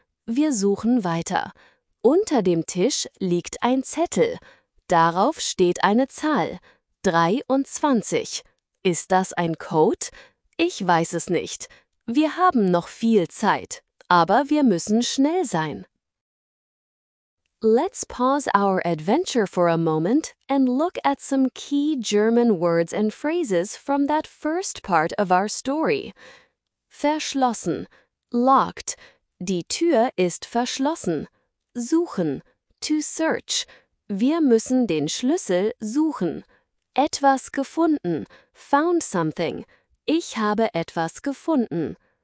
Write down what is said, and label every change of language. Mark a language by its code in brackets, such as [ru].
[de] Wir suchen weiter. Unter dem Tisch liegt ein Zettel. Darauf steht eine Zahl: 23. Ist das ein Code? Ich weiß es nicht. Wir haben noch viel Zeit, aber wir müssen schnell sein. [en] Let's pause our adventure for a moment and look at some key German words and phrases from that first part of our story. [de] Verschlossen, locked, die Tür ist verschlossen. Suchen, [en] to search, [de] wir müssen den Schlüssel suchen. Etwas gefunden, [en] found something. [de] Ich habe etwas gefunden.